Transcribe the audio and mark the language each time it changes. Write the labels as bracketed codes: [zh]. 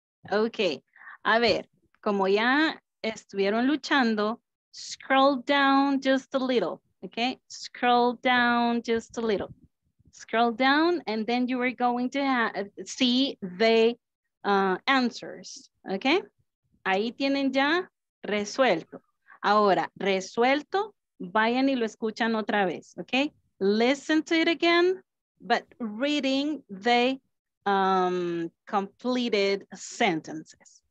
[es] okay. A ver, como ya estuvieron luchando, [en] scroll down just a little. Okay, scroll down just a little. Scroll down and then you are going to see the answers. Okay, [es] ahí tienen ya resuelto. Ahora, resuelto, vayan y lo escuchan otra vez. [en] Okay, listen to it again, but reading the completed sentences.